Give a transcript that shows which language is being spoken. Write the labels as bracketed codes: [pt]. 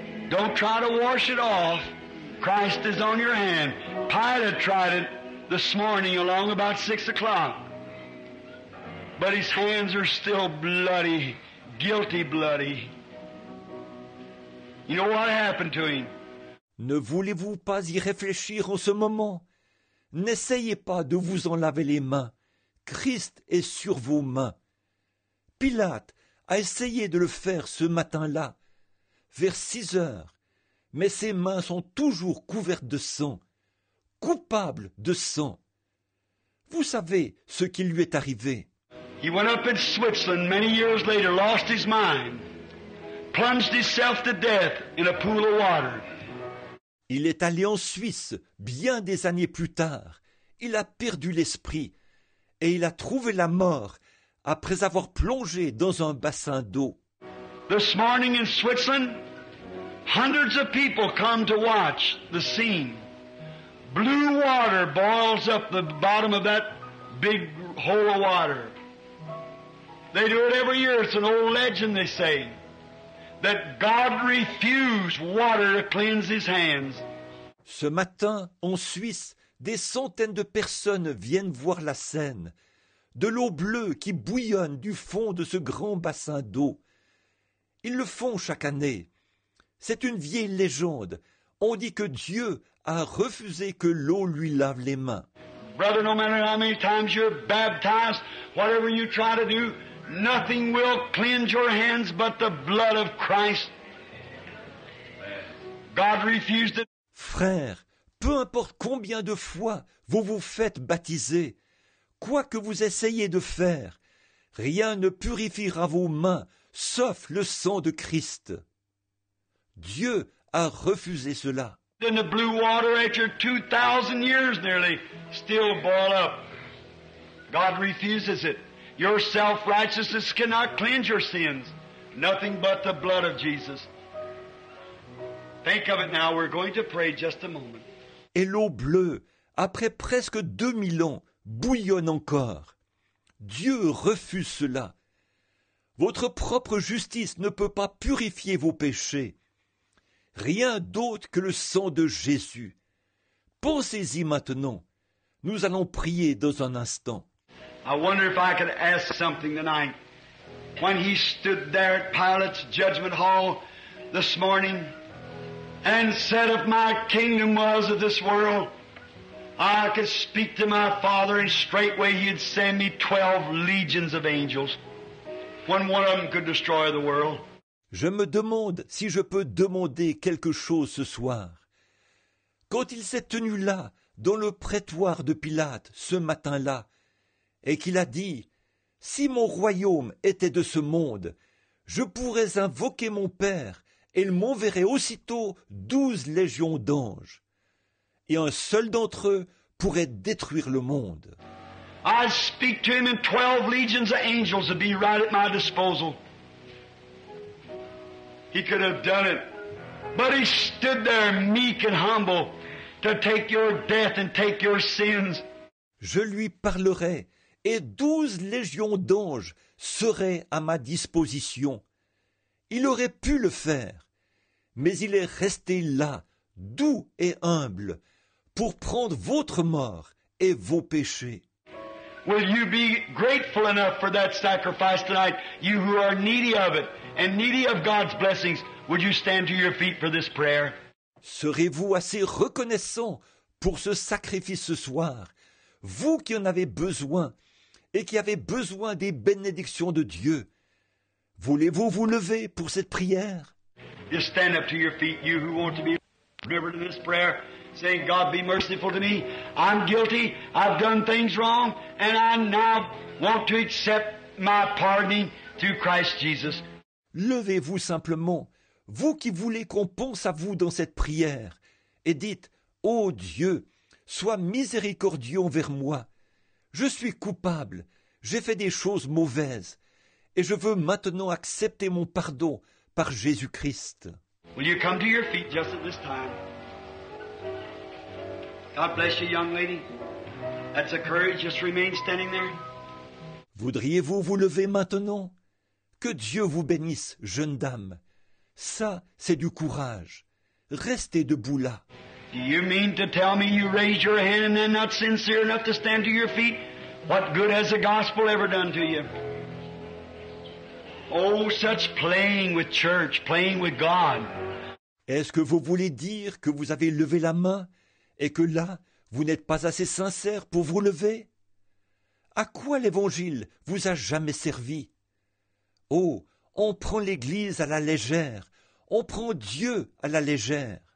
[en] Don't try to wash it off. Christ is on your hand. Pilate tried it this morning along about 6 o'clock. But his hands are still bloody, guilty bloody. You know what happened to him? [fr] Ne voulez-vous pas y réfléchir en ce moment? N'essayez pas de vous en laver les mains. Christ est sur vos mains. Pilate a essayé de le faire ce matin-là, vers 6 heures, mais ses mains sont toujours couvertes de sang, coupables de sang. Vous savez ce qui lui est arrivé. [en] He went up in Switzerland many years later, lost his mind, plunged himself to death in a pool of water. [fr] Il est allé en Suisse bien des années plus tard. Il a perdu l'esprit et il a trouvé la mort après avoir plongé dans un bassin d'eau. [en] This morning in Switzerland, hundreds of people come to watch the scene. Blue water boils up the bottom of that big hole of water. They do it every year. It's an old legend, they say. That God refused water to cleanse his hands. [fr] Ce matin, en Suisse, des centaines de personnes viennent voir la scène. De l'eau bleue qui bouillonne du fond de ce grand bassin d'eau. Ils le font chaque année. C'est une vieille légende. On dit que Dieu a refusé que l'eau lui lave les mains. [en] Brother, no matter how many times you're baptized, whatever you try to do, nothing will cleanse your hands but the blood of Christ. God refused it. [fr] Frère, peu importe combien de fois vous vous faites baptiser, quoi que vous essayez de faire, rien ne purifiera vos mains sauf le sang de Christ. Dieu a refusé cela. [en] In the blue water after 2,000 years nearly still boil up. God refuses it. Your self-righteousness cannot cleanse your sins. Nothing but the blood of Jesus. Think of it now. We're going to pray just a moment. [fr] Et l'eau bleue, après presque 2000 ans, bouillonne encore. Dieu refuse cela. Votre propre justice ne peut pas purifier vos péchés. Rien d'autre que le sang de Jésus. Pensez-y maintenant. Nous allons prier dans un instant. [en] I wonder if I could ask something tonight. When he stood there at Pilate's judgment hall this morning and said, if my kingdom was of this world, I could speak to my Father and straightway he'd send me 12 legions of angels. When one of them could destroy the world. [fr] Je me demande si je peux demander quelque chose ce soir. Quand il s'est tenu là, dans le prétoire de Pilate, ce matin-là, et qu'il a dit, « Si mon royaume était de ce monde, je pourrais invoquer mon Père, et il m'enverrait aussitôt 12 légions d'anges, et un seul d'entre eux pourrait détruire le monde. » [en] I speak to him and 12 legions of angels would be right at my disposal. He could have done it. But he stood there meek and humble to take your death and take your sins. [fr] Je lui parlerai et 12 légions d'anges seraient à ma disposition. Il aurait pu le faire, mais il est resté là, doux et humble, pour prendre votre mort et vos péchés. [en] Will you be grateful enough for that sacrifice tonight, you who are needy of it and needy of God's blessings? Would you stand to your feet for this prayer? [fr] Serez-vous assez reconnaissant pour ce sacrifice ce soir, vous qui en avez besoin et qui avez besoin des bénédictions de Dieu? Voulez-vous vous lever pour cette prière? [en] Just stand up to your feet, you who want to be delivered in this prayer. Saying, God, be merciful to me. I'm guilty. I've done things wrong. And I now want to accept my pardoning through Christ Jesus. [fr] Levez-vous simplement, vous qui voulez qu'on pense à vous dans cette prière, et dites, ô Dieu, sois miséricordieux envers moi. Je suis coupable. J'ai fait des choses mauvaises. Et je veux maintenant accepter mon pardon par Jésus-Christ. [en] Will you come to your feet just at this time? God bless you, young lady. That's a courage. Just remain standing there. [fr] Voudriez-vous vous lever maintenant? Que Dieu vous bénisse, jeune dame. Ça, c'est du courage. Restez debout là. [en] Do you mean to tell me you raise your hand and then not sincere enough to stand to your feet? What good has the gospel ever done to you? Oh, such playing with church, playing with God. [fr] Est-ce que vous voulez dire que vous avez levé la main et que là, vous n'êtes pas assez sincère pour vous lever? À quoi l'Évangile vous a jamais servi? Oh, on prend l'Église à la légère. On prend Dieu à la légère.